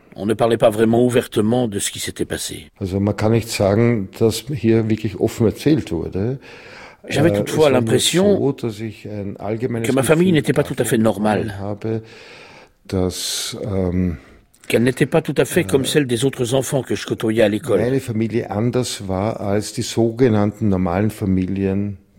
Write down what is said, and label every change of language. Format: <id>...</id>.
<fr>On ne parlait pas vraiment ouvertement de ce qui s'était passé.</fr> <de>Also man kann nicht sagen, dass hier wirklich offen erzählt wurde.</de> <fr>J'avais toutefois l'impression que ma famille n'était pas tout à fait normale, qu'elle n'était pas tout à fait comme celle des autres enfants que je côtoyais à l'école.</fr> <de>Meine Familie anders war als die sogenannten normalen Familien.</de>